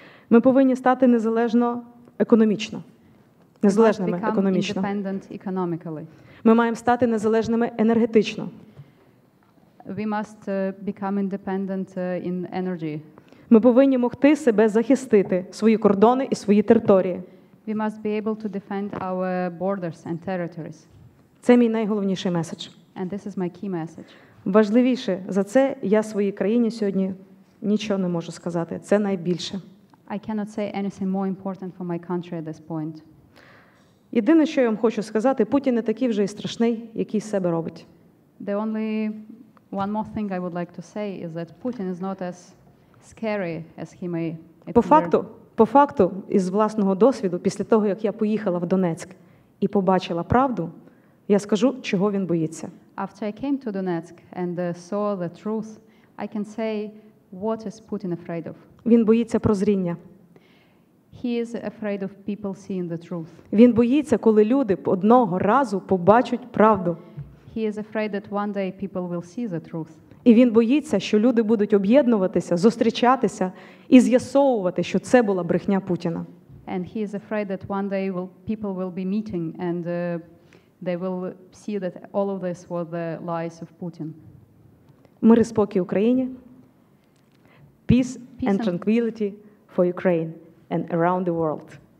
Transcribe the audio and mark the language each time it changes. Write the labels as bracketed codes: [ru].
[uk] Ми повинні стати незалежно економічно. Незалежними економічно. [en] Independent economically. [uk] Ми маємо стати незалежними енергетично. [en] We must become independent in energy. [uk] Ми повинні могти себе захистити, свої кордони і свої території. [en] We must be able to defend our borders and territories. [uk] Це мій найголовніший меседж. [en] And this is my key message. [uk] Важливіше за це я своїй країні сьогодні нічого не можу сказати. Це найбільше. [en] I cannot say anything more important for my country at this point. [uk] Єдине, що я вам хочу сказати, Путін не такий вже і страшний, який себе робить. [en] The only one more thing I would like to say is that Putin is not as scary as he may appear. [uk] По факту, із власного досвіду, після того, як я поїхала в Донецьк і побачила правду, я скажу, чого він боїться. [en] After I came to Donetsk and saw the truth, I can say what is Putin afraid of. [uk] Він боїться прозріння. [en] He is afraid of people seeing the truth. [uk] Він боїться, коли люди одного разу побачать правду. [en] He is afraid that one day people will see the truth. [uk] І він боїться, що люди будуть об'єднуватися, зустрічатися і з'ясовувати, що це була брехня Путіна. [en] And he is afraid that one day people will be meeting and they will see that all of this were the lies of Putin. [uk] Мир і спокій Україні. [en] Peace and tranquility for Ukraine and around the world.